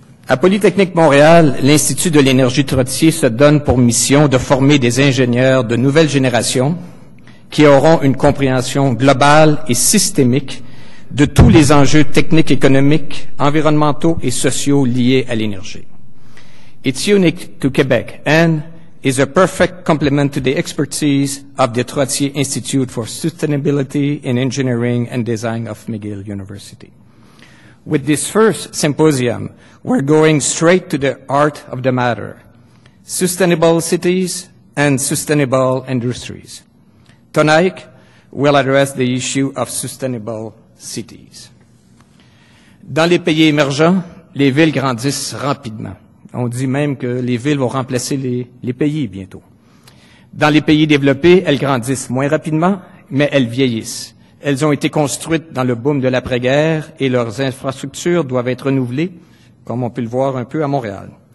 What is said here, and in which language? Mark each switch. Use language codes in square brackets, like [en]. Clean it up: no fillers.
[fr] À Polytechnique Montréal, l'Institut de l'énergie Trottier se donne pour mission de former des ingénieurs de nouvelle génération qui auront une compréhension globale et systémique de tous les enjeux techniques, économiques, environnementaux et sociaux liés à l'énergie. [en] It's unique to Quebec and is a perfect complement to the expertise of the Trottier Institute for Sustainability in Engineering and Design of McGill University. With this first symposium, we're going straight to the heart of the matter, sustainable cities and sustainable industries. Tonight, we'll address the issue of sustainable cities. [fr] Dans les pays émergents, les villes grandissent rapidement. On dit même que les villes vont remplacer les pays bientôt. Dans les pays développés, elles grandissent moins rapidement, mais elles vieillissent. Elles ont été construites dans le boom de l'après-guerre et leurs infrastructures doivent être renouvelées, comme on peut le voir un peu à Montréal.